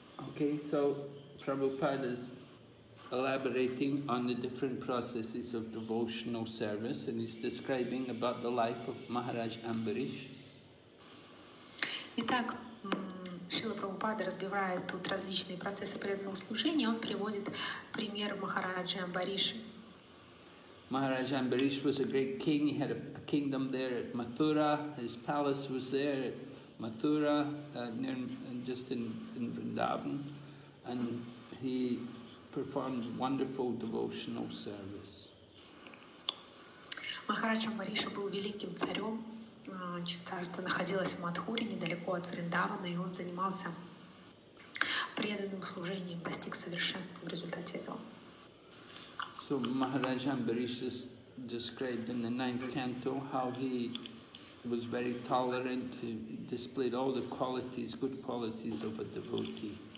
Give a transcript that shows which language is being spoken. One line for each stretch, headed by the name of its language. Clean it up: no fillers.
English: Okay, so Prabhupada is elaborating on the different processes of devotional service, and he's describing about the life of Maharaj Ambarish.
Russian: Итак, Шрила Прабхупада разбивает тут различные процессы преданного служения. Он приводит пример Махараджи Амбариши.
English: Maharaj Ambarish was a great king. He had a kingdom there at Mathura. His palace was there at Mathura, just in Vrindavan, and he performed wonderful devotional service.
Russian: Махараджа Амбариша был великим царем. Чавтарство находилось в Матхуре, недалеко от Вриндавана, и он занимался преданным служением, достиг совершенства в результате этого.
English: So Махараджа Амбариша described in the ninth canto how he was very tolerant, he displayed all the qualities, good qualities of a devotee.